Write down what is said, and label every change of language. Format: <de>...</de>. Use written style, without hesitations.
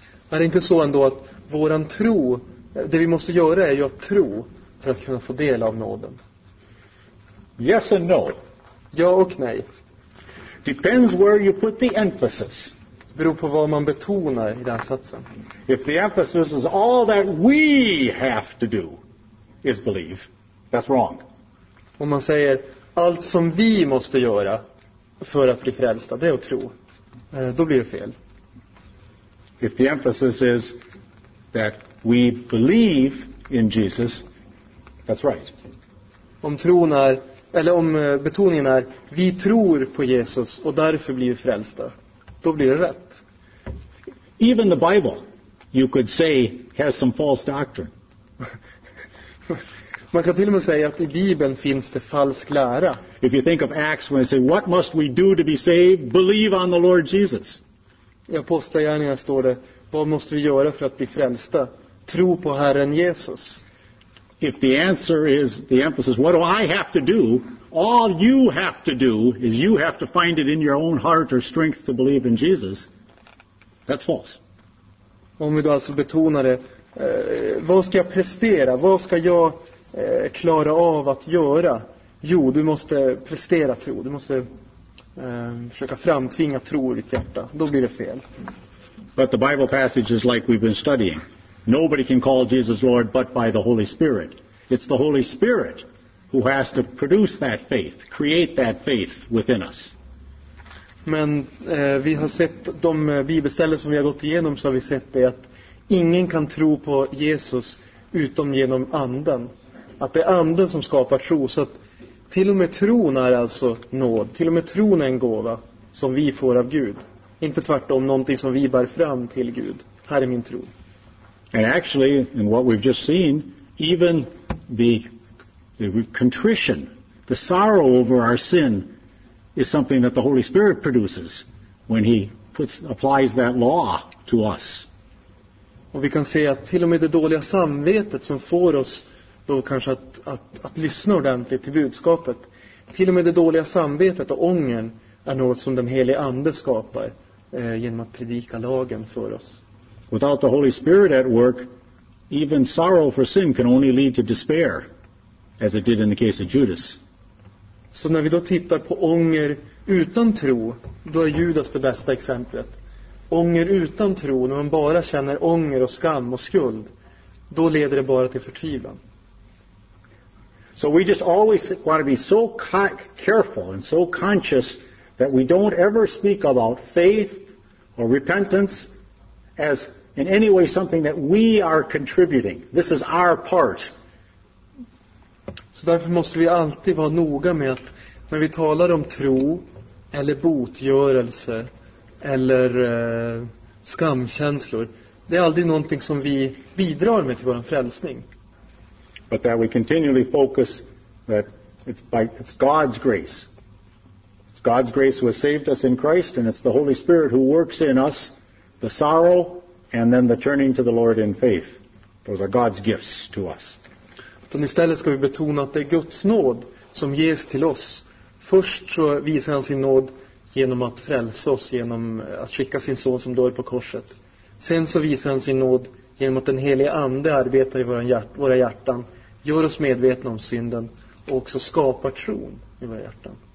<sv>Är det inte så ändå att våran tro, det vi måste göra är ju att tro för att kunna få del av nåden?</sv> <en>Yes and no.</en> <sv>Ja och nej.</sv> <en>Depends where you put the emphasis.</en> <sv>Beror på vad man betonar i den satsen.</sv> <en>If the emphasis is all that we have to do is believe, that's wrong.</en> <sv>Om man säger allt som vi måste göra för att bli frälsta, det är att tro, då blir det fel.</sv> <en>If the emphasis is that we believe in Jesus, that's right.</en> <sv>Om tron är, eller om betoningen är, vi tror på Jesus och därför blir vi frälsta, då blir det rätt.</sv> <en>Even the Bible, you could say, has some false doctrine.</en> <sv>Man kan till och med säga att i Bibeln finns det falsk lära.</sv> <en>If you think of Acts when they say, what must we do to be saved? Believe on the Lord Jesus.</en> <sv>I apostlagärningarna står det, vad måste vi göra för att bli frälsta? tro på Herren Jesus.</sv> <en>If the answer is the emphasis, what do I have to do? All you have to do is you have to find it in your own heart or strength to believe in Jesus. That's false.</en> <sv>Om vi då alltså betonar det, vad ska jag prestera? Vad ska jag klara av att göra? Jo, du måste prestera tro. Du måste försöka framtvinga tro i ditt hjärta. Då blir det fel.</sv> <en>But the Bible passage is like we've been studying. Nobody can call Jesus Lord but by the Holy Spirit. It's the Holy Spirit who has to produce that faith, create that faith within us.</en> <sv>Men vi har sett de bibelställen som vi har gått igenom, så har vi sett det att ingen kan tro på Jesus utom genom anden. Att det är anden som skapar tro, så att till och med tron är alltså nåd. Till och med tron är en gåva som vi får av Gud. Inte tvärtom, någonting som vi bär fram till Gud. Här är min tro.</sv> <en>And actually, in what we've just seen, even the contrition, the sorrow over our sin, is something that the Holy Spirit produces when he applies that law to us.</en> <sv>Och vi kan se att till och med det dåliga samvetet som får oss då kanske att lyssna ordentligt till budskapet, till och med det dåliga samvetet och ångern är något som den helige ande skapar genom att predika lagen för oss.</sv> <en>Without the Holy Spirit at work, even sorrow for sin can only lead to despair, as it did in the case of Judas.</en> <sv>Så när vi då tittar på ånger utan tro, då är Judas det bästa exemplet. Ånger utan tro, när man bara känner ånger och skam och skuld, då leder det bara till förtvivlan.</sv> <en>So we just always want to be so careful and so conscious that we don't ever speak about faith or repentance as in any way something that we are contributing. This is our part.</en> <sv>Så därför måste vi alltid vara noga med att när vi talar om tro eller botgörelse eller skamkänslor, det är aldrig någonting som vi bidrar med till vår frälsning.</sv> <en>But that we continually focus that it's God's grace. It's God's grace who has saved us in Christ, and it's the Holy Spirit who works in us the sorrow and then the turning to the Lord in faith. Those are God's gifts to us.</en> <sv>Utan istället ska vi betona att det är Guds nåd som ges till oss. Först så visar han sin nåd genom att frälsa oss, genom att skicka sin son som dör på korset. Sen så visar han sin nåd genom att den helige ande arbetar i våra hjärtan, gör oss medvetna om synden och också skapar tron i våra hjärtan.</sv>